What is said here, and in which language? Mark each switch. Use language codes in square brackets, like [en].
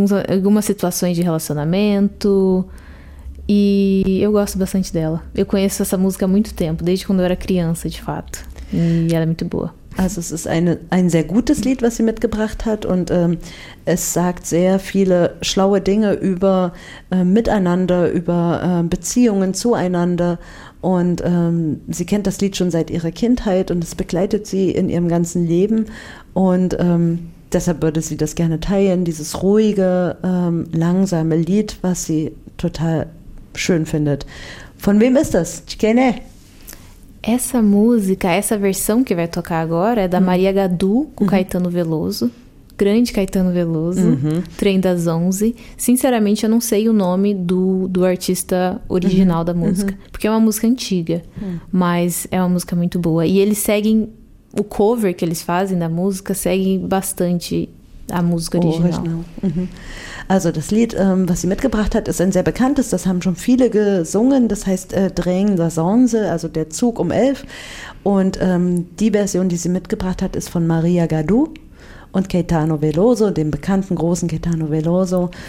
[pt] algumas situações de relacionamento... E eu gosto bastante dela. Eu conheço essa música há muito tempo, desde quando eu era criança, de fato. E ela é muito boa. [de] Also, es ist ein sehr gutes Lied, was sie mitgebracht hat. Und es sagt sehr viele schlaue Dinge über Miteinander, über Beziehungen zueinander. Und sie kennt das Lied schon seit ihrer Kindheit und es begleitet sie in ihrem ganzen Leben. Und deshalb würde sie das gerne teilen, dieses ruhige, langsame Lied, was sie total schön findet. Von wem ist das? [pt] De quem é? Essa música, essa versão que vai tocar agora é da Maria Gadu com Caetano Veloso. Grande Caetano Veloso. Trem das 11. Sinceramente, eu não sei o nome do artista original da música. Porque é uma música antiga. Mas é uma música muito boa. E eles seguem... O cover que eles fazem da música segue bastante... A Musik original. [de] Also das Lied, was sie mitgebracht hat, ist ein sehr bekanntes. Das haben schon viele gesungen. Das heißt Train das 11, also der Zug um 11. Und die Version, die sie mitgebracht hat, ist von Maria Gadu und Caetano Veloso, dem bekannten großen Caetano Veloso.